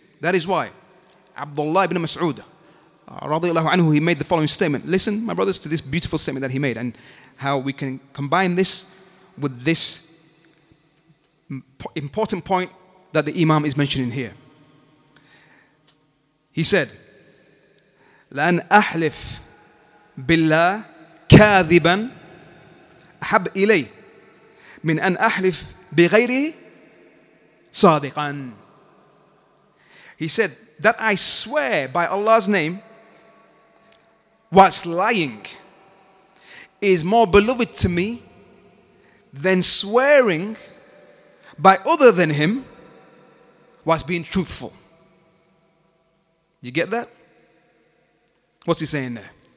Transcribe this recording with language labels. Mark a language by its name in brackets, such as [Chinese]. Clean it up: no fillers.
[English] That is why Abdullah ibn Mas'ud radiallahu anhu, he made the following statement. Listen, my brothers, to this beautiful statement that he made and how we can combine this with this important point that the Imam is mentioning here. He said, [Arabic] لَنْ أَحْلِفْ بِاللَّهِ كَاذِبًا أَحَبْ إِلَيْهِ مِنْ أَنْ أَحْلِفْ بِغَيْرِهِ صَادِقًا. [English] He said, that I swear by Allah's name whilst lying is more beloved to me than swearing by other than him whilst being truthful. You get that? What's he saying there?